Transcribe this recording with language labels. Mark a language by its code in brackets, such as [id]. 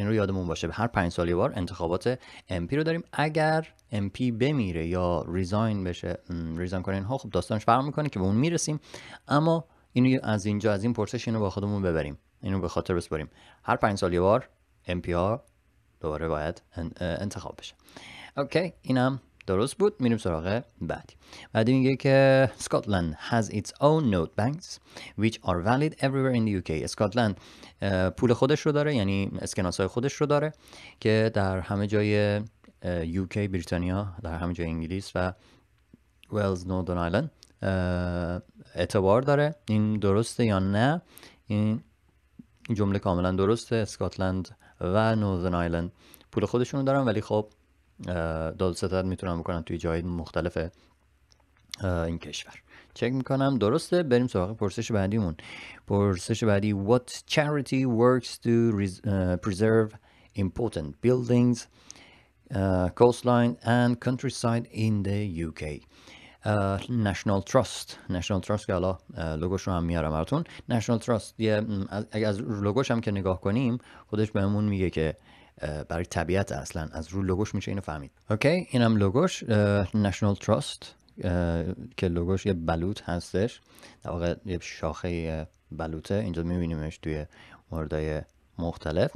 [fa] این رو یادمون باشه، هر 5 سال یه بار انتخابات MP رو داریم. اگر MP بمیره یا ریزاین بشه، ریزاین کنین ها، خب داستانش فرق میکنه که به اون میرسیم، اما اینو از اینجا از این پرسش اینو با خودمون ببریم، اینو به خاطر بسپاریم، هر 5 سال یه بار MP ها دوباره باید انتخاب بشه. اوکی، اینم درست بود. میریم سراغ بعدی. بعدی میگه که [en] Scotland has its own note banks which are valid everywhere in the UK. [fa] اسکاتلند پول خودش رو داره، یعنی اسکناسای خودش رو داره که در همه جای UK، بریتانیا، در همه جای انگلیس و ویلز، نوردن آیلند اعتبار داره. این درسته یا نه؟ این جمله کاملا درسته. اسکاتلند و نوردن آیلند پول خودشون رو دارن، ولی خب دادستان میتونم بکنم توی جای مختلف این کشور. چک میکنم درسته. بریم سراغ پرسش بعدیمون. پرسش بعدی [en] What charity works to preserve important buildings, coastline and countryside in the UK? National Trust. [fa] National Trust که حالا لوگوش رو هم میارم براتون. National Trust یه، اگه از لوگوش هم که نگاه کنیم خودش بهمون میگه که برای طبیعت، اصلا از رو لوگوش میشه اینو فهمید. اوکی، اینم لوگوش نشنال تراست که لوگوش یه بلوط هستش، در واقع یه شاخه بلوطه، اینجا میبینیمش توی موردهای مختلف.